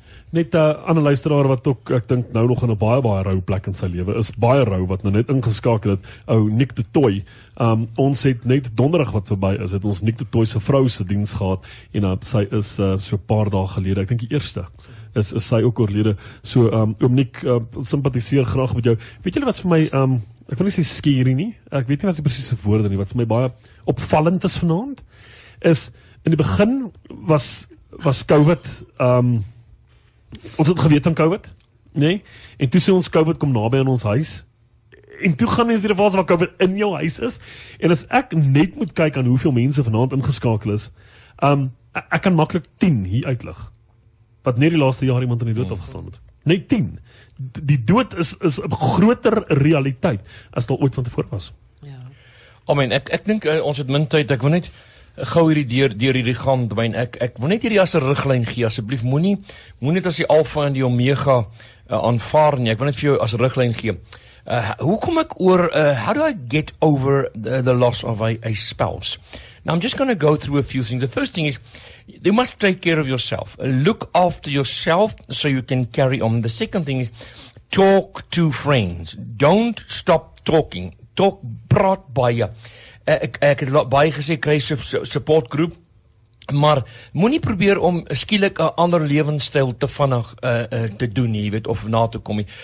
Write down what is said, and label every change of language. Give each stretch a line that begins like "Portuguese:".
Afrikaans: net 'n ander luisteraar wat ook, ek dink nou nog in 'n baie baie rou plek in sy lewe is, baie rou, wat nou net ingeskakel het, ou Nick de Toy. Ons het net donderdag wat verby is, het ons Nick de Toy se vrou se diens gehad en sy is so 'n paar dae gelede, ek dink die eerste, is sy ook oorlede. So oom Nick, simpatiseer graag met jou. Weet julle wat vir my ek wil nie sê skierie nie, ek weet nie wat die presiese woorde nie, wat vir my baie opvallend is vanaand, is in die begin was COVID, ons het geweet van COVID, nee, en toe sê ons COVID kom nabij aan ons huis, en toe gaan mense die fase waar COVID in jou huis is, en as ek net moet kyk aan hoeveel mense vanavond ingeskakel is, ek kan makkelijk 10 hier uitlig, wat net die laaste jaar iemand in die dood afgestaan het, net 10, die dood is 'n groter realiteit, as dit al ooit van tevore was. Ja. Amen, ek dink ons het min tyd, ek wil net, gou hierdie deur hierdie gang, myn, ek wil net hierdie as 'n riglyn gee, asseblief, moenie as die alfa en die omega aanvaar nie, ek wil net vir jou as 'n riglyn gee, hoe kom ek oor,
English: how do I get over the loss of a spouse? Now I'm just going to go through a few things. The first thing is, you must take care of yourself, look after yourself so you can carry on. The second thing is, talk to friends, don't stop talking, talk,
Afrikaans: praat baie. Ek het baie gesê, kry support group, maar moet nie probeer om skielik 'n ander levensstyl te vinnig te doen nie, weet, of na te kom nie.